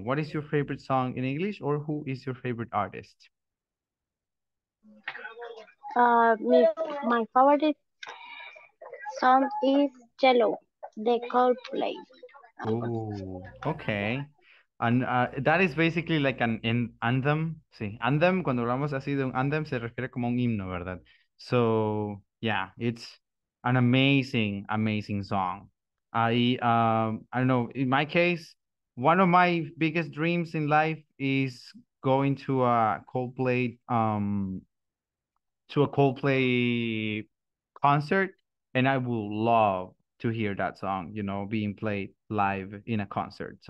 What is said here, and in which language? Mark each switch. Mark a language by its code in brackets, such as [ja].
[en] What is your favorite song in English or who is your favorite artist? My favorite song is Yellow, the Coldplay. Oh, okay. And that is basically like an in anthem. [es] Sí, anthem, cuando hablamos así de un anthem, se refiere como a un himno, ¿verdad? [en] So, yeah, it's an amazing, amazing song. I don't know, in my case, one of my biggest dreams in life is going to a Coldplay, to a Coldplay concert, and I will love to hear that song, you know, being played live in a concert.